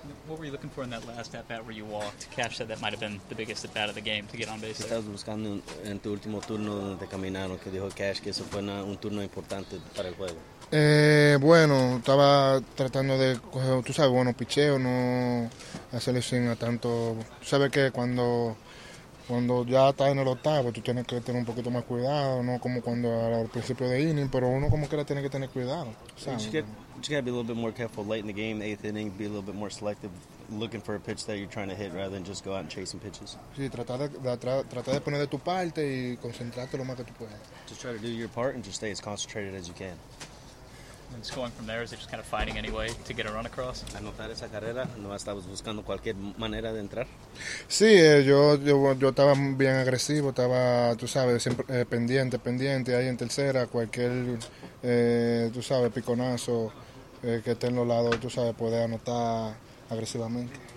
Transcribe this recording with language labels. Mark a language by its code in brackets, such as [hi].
[en] What were you looking for in that last at-bat where you walked? Cash said that might have been the biggest at-bat of the game to get on base. [es] Estabas buscando en tu último turno donde te caminaron, que dijo Cash que eso fue un turno importante para el juego. Bueno, estaba tratando de coger, tú sabes, bueno, picheo, no hacerle sin a tanto. Tú sabes que cuando ya estás en el octavo, tú tienes que tener un poquito más cuidado, no como cuando al principio de inning, pero uno como que la tiene que tener cuidado, ¿sabes? [en] You gotta be a little bit more careful late in the game, eighth inning, be a little bit more selective, looking for a pitch that you're trying to hit rather than just go out and chasing pitches. [es] Sí, tratar de poner de tu parte y concentrarte lo más que tú puedas. [en] Just try to do your part and just stay as concentrated as you can. And scoring from there, is it just kind of finding any way to get a run across? [es] Anotar esa carrera, no estabas buscando cualquier manera de entrar. Sí, yo estaba bien agresivo, estaba, tú sabes, siempre pendiente ahí en tercera, cualquier, tú sabes, piconazo que esté en los lados, tú sabes, puede anotar agresivamente.